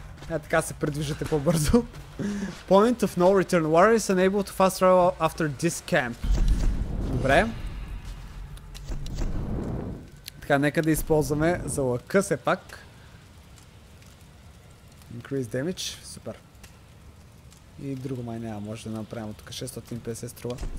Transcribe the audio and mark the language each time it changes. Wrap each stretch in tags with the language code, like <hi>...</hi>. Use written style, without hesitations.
<bg>Е, така се придвижате по-бързо.</bg> <en>Point of no return. Warriors unable to fast travel after this camp.</en> <bg>Добре. Така, нека да използваме за лъка се пак.</bg> <en>Increase damage.</en> <bg>Супер. И друго май няма, може да направим от тук 650 струва.</bg>